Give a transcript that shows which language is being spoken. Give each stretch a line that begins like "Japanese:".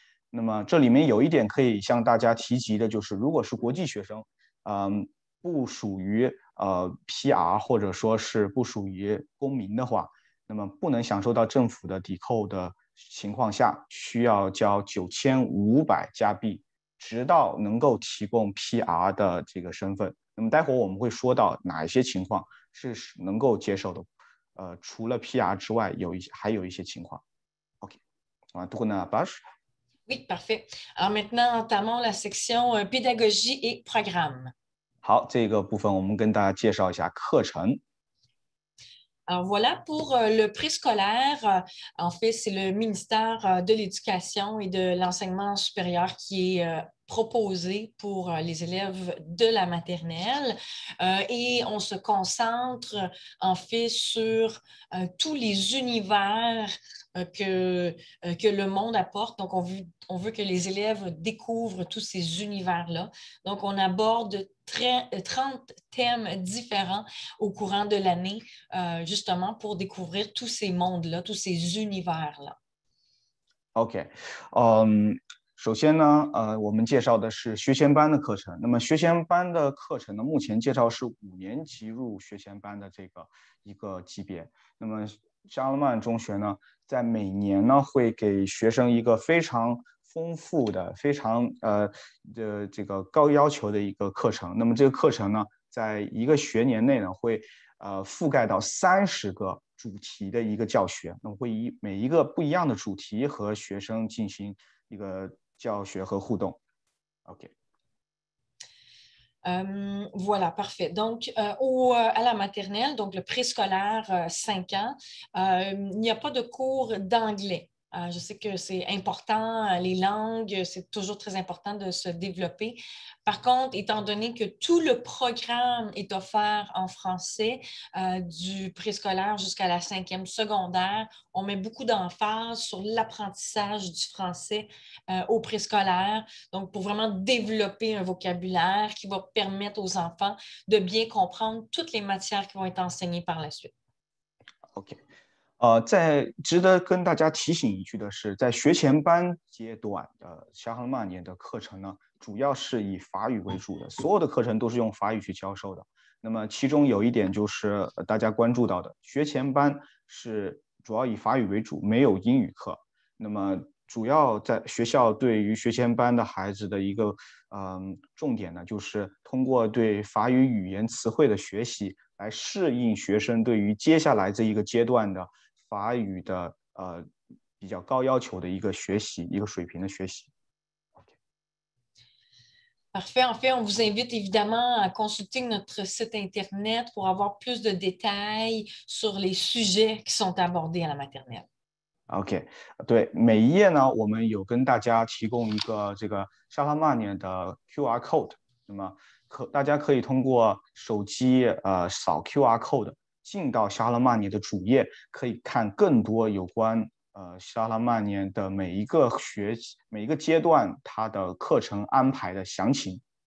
Chinese: 那么这里面有一点可以向大家提及的，就是如果是国际学生，不属于PR 或者说是不属于公民的话，那么不能享受到政府的抵扣的情况下，需要交9500加币，直到能够提供 PR 的这个身份。那么待会我们会说到哪一些情况是能够接受的，除了 PR 之外，还有一些情况。 OK， 啊，读呢 ，Bash。
French: Oui, parfait. Alors maintenant, entamons la section pédagogie et programme.
Chinese: 好，这个部分我们跟大家介绍一下课程。
French: Alors voilà pour le préscolaire. En fait, c'est le ministère de l'Éducation et de l'Enseignement supérieur qui est proposé pour les élèves de la maternelle. Et on se concentre en fait sur tous les univers que le monde apporte. Donc, on veut que les élèves découvrent tous ces univers-là. Donc, on aborde 30 thèmes différents au courant de l'année, justement pour découvrir tous ces mondes-là, tous ces univers-là. OK.
Chinese: 首先呢，我们介绍的是学前班的课程。那么学前班的课程呢，目前介绍是五年级入学前班的这个一个级别。那么沙勒曼中学呢，在每年呢会给学生一个非常丰富的、非常这个高要求的一个课程。那么这个课程呢，在一个学年内呢，会覆盖到30个主题的一个教学。那么会以每一个不一样的主题和学生进行一个教学和互动。 OK。
French: Voilà, parfait. Donc, à la maternelle, donc le préscolaire 5 ans, il n'y a pas de cours d'anglais. Je sais que c'est important, les langues, c'est toujours très important de se développer. Par contre, étant donné que tout le programme est offert en français, du préscolaire jusqu'à la cinquième secondaire, on met beaucoup d'emphase sur l'apprentissage du français au préscolaire, donc pour vraiment développer un vocabulaire qui va permettre aux enfants de bien comprendre toutes les matières qui vont être enseignées par la suite. OK.
Chinese: 在值得跟大家提醒一句的是，在学前班阶段的沙哈勒曼年的课程呢，主要是以法语为主的，所有的课程都是用法语去教授的。那么其中有一点就是大家关注到的，学前班是主要以法语为主，没有英语课。那么主要在学校对于学前班的孩子的一个重点呢，就是通过对法语语言词汇的学习来适应学生对于接下来这一个阶段的法语的比较高要求的一个学习，一个水平的学习。
French: Parfait. En fait, on vous invite évidemment à consulter notre site internet pour avoir plus de détails sur les sujets qui sont abordés à la maternelle. OK.
Chinese: 对，每一页呢，我们有跟大家提供一个这个沙哈勒曼年的 QR code， 那么大家可以通过手机扫 QR code 进到沙哈勒曼年的主页，可以看更多有关沙哈勒曼年的每一个阶段它的课程安排的详情。